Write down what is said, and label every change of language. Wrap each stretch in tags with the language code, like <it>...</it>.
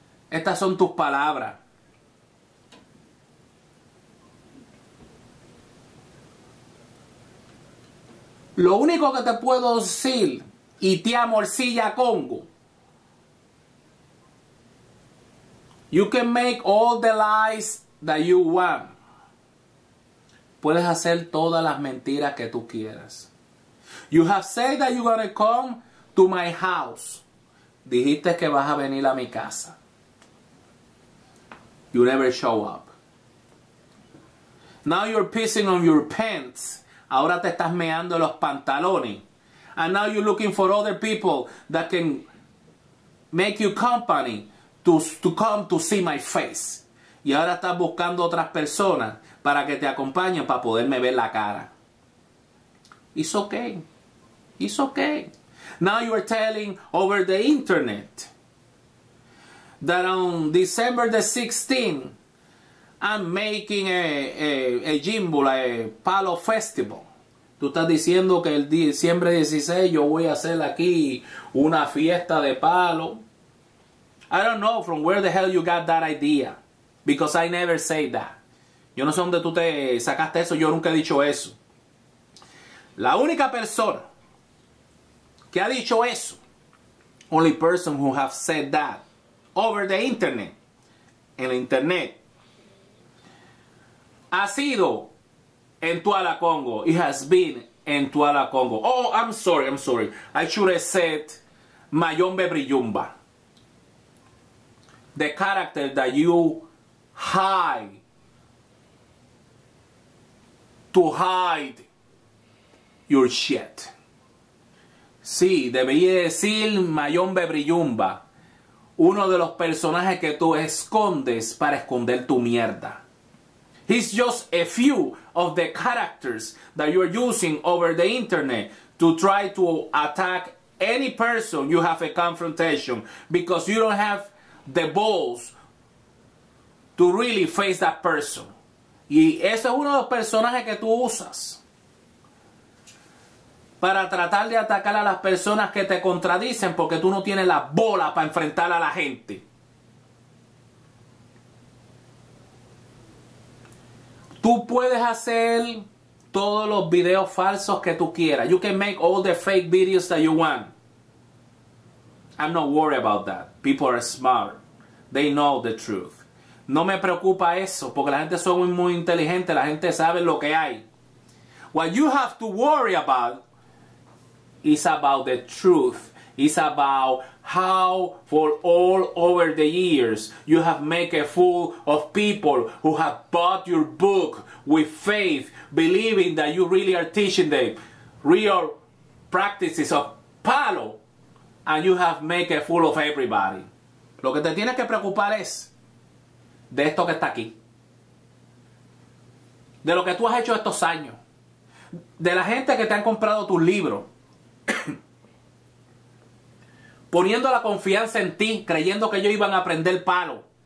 <es>Estas son tus palabras. Lo único que te puedo decir, y te amorcilla Congo.</es> <en>You can make all the lies that you want.</en> <es>Puedes hacer todas las mentiras que tú quieras.</es> <en>You have said that you're gonna come to my house.</en> <es>Dijiste que vas a venir a mi casa.</es> <en>You never show up. Now you're pissing on your pants.</en> <es>Ahora te estás meando los pantalones.</es> <en>And now you're looking for other people that can make you company to come to see my face.</en> <es>Y ahora estás buscando otras personas para que te acompañen para poderme ver la cara.</es> <en>It's okay. It's okay. Now you're telling over the internet that on December the 16th, I'm making a gimbal, a Palo Festival.</en> <es>Tú estás diciendo que el diciembre 16 yo voy a hacer aquí una fiesta de palo.</es> <en>I don't know from where the hell you got that idea. Because I never say that.</en> <es>Yo no sé dónde tú te sacaste eso. Yo nunca he dicho eso. La única persona que ha dicho eso,</es> <en>only person who have said that over the internet,</en> <es>en el internet, ha sido en Tuala Congo.</es> <en>It has been en Tuala Congo. Oh, I'm sorry. I should have said Mayombe Brijumba. The character that you hide to hide your shit.</en> <es>Sí, debería decir Mayombe Brijumba. Uno de los personajes que tú escondes para esconder tu mierda.</es> <en>He's just a few of the characters that you're using over the internet to try to attack any person you have a confrontation because you don't have the balls to really face that person.</en> <es>Y ese es uno de los personajes que tú usas para tratar de atacar a las personas que te contradicen porque tú no tienes la bola para enfrentar a la gente. Tú puedes hacer todos los videos falsos que tú quieras.</es> <en>You can make all the fake videos that you want. I'm not worried about that. People are smart. They know the truth.</en> <es>No me preocupa eso porque la gente son muy, muy inteligente. La gente sabe lo que hay.</es> <en>What you have to worry about is about the truth. It's about how for all over the years you have made a fool of people who have bought your book with faith, believing that you really are teaching them real practices of palo, and you have made a fool of everybody.</en> <es>Lo que te tienes que preocupar es de esto que está aquí, de lo que tú has hecho estos años, de la gente que te han comprado tus libros, poniendo la confianza en ti, creyendo que ellos iban a prender palo.</es>